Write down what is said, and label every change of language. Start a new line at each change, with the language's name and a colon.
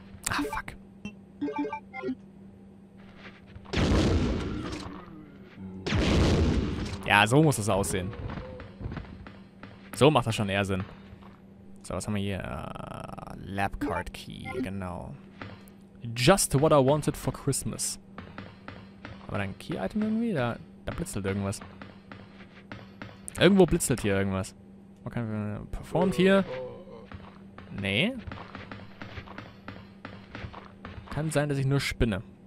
English: Ah, fuck.
German: Ja, so muss das aussehen. So macht das schon eher Sinn. So, was haben wir hier? Lab Card Key, genau.
English: Just what I wanted for Christmas.
German: Aber dein Key-Item irgendwie? Da blitzelt irgendwas. Irgendwo blitzelt hier irgendwas. Okay, performt hier. Nee. Kann sein, dass ich nur spinne.